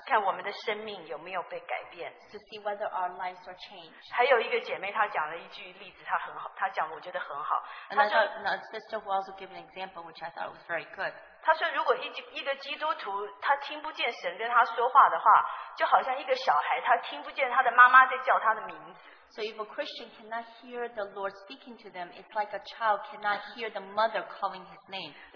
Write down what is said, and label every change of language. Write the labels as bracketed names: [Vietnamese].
[Chinese] 看我们的生命有没有被改变, [English] to see whether our lives are changed. [Chinese] 还有一个姐妹她讲了一句例子, 她很好, 她讲我觉得很好, [English] another sister who also gave an example which I thought was very good. [Chinese] 她说如果一个基督徒他听不见神跟他说话的话, 就好像一个小孩他听不见他的妈妈在叫他的名字。 [English] So if a Christian cannot hear the Lord speaking to them, it's like a child cannot hear the mother calling his name.